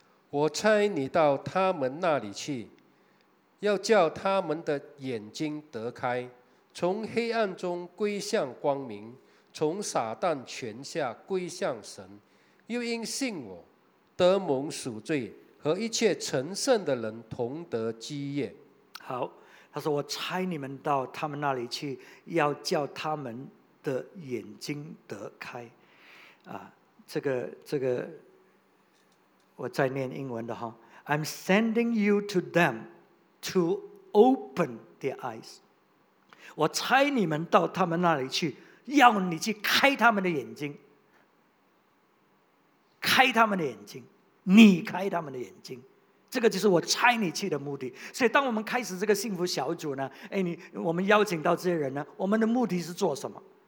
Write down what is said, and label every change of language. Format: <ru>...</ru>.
<zh>我差你到他们那里去，要叫他们的眼睛得开，从黑暗中归向光明，从撒旦权下归向神，又因信我得蒙赎罪，和一切成圣的人同得基业。好，他说我差你们到他们那里去，要叫他们的眼睛得开啊。这个我再念英文的哈。</zh> <en>I'm sending you to them to open their eyes</en> <zh>我差你们到他们那里去，要你去开他们的眼睛，开他们的眼睛，你开他们的眼睛，这个就是我差你去的目的。所以当我们开始这个幸福小组呢，我们邀请到这些人呢，我们的目的是做什么？</zh>